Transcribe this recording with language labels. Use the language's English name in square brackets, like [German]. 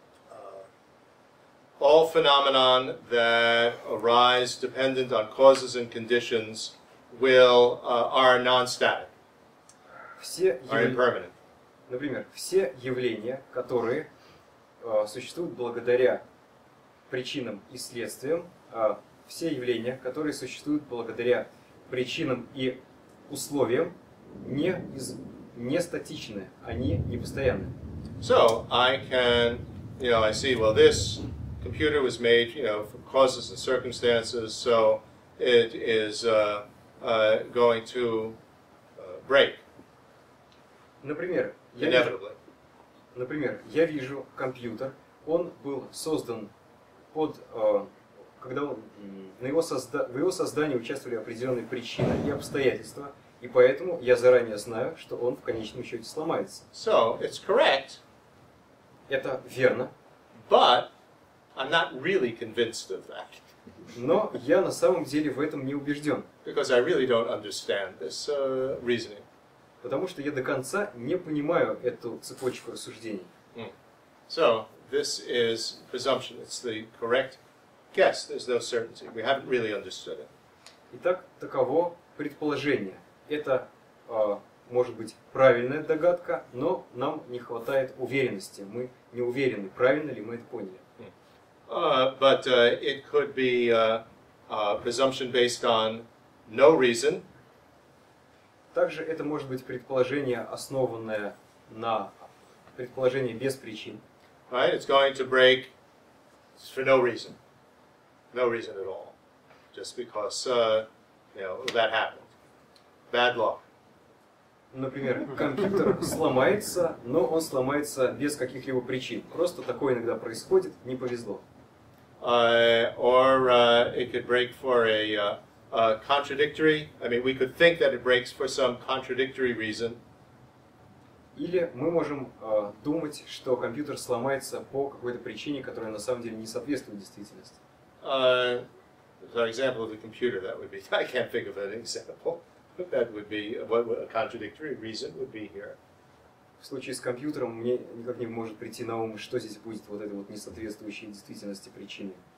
[English] That all phenomena that arise dependent on causes and conditions are non-static. Are impermanent. [Russian] Например, все явления, которые существуют благодаря причинам и следствиям, все явления, которые существуют благодаря причинам и условиям, не статичны, они непостоянны. [English] So I can, you know, I see, well, this computer was made, you know, from causes and circumstances, so it is going to break. [Russian] Например, я вижу компьютер, он был создан под, когда он, в его создании участвовали определенные причины и обстоятельства, и поэтому я заранее знаю, что он в конечном счете сломается. [English] So, it's correct. [Russian] Это верно. [English] But I'm not really convinced of that. [Russian] Но я на самом деле в этом не убежден. [English] Because I really don't understand this reasoning. [Russian] Потому что я до конца не понимаю эту цепочку рассуждений. Mm. [English] So, this is presumption. It's the correct guess. There's no certainty. We haven't really understood it. [Russian] Итак, таково предположение. Это, может быть, правильная догадка, но нам не хватает уверенности. Мы не уверены, правильно ли мы это поняли. Mm. [English] But it could be a presumption based on no reason. [Russian] Также это может быть предположение, основанное на предположении без причин. [English] Right, it's going to break for no reason. No reason at all. Just because, that happened. Bad luck. [Russian] Например, компьютер сломается, но он сломается без каких-либо причин. Просто такое иногда происходит, не повезло. [English] It could break for contradictory. I mean, we could think that it breaks for some contradictory reason. [Russian] Или мы можем думать, что компьютер сломается по какой-то причине, которая на самом деле не соответствует действительности. [English] For example, the computer. That would be. I can't think of an example. That would be what a contradictory reason would be here. [Russian] В случае с компьютером мне никак не может прийти на ум, что здесь будет вот этой вот несоответствующей действительности причине.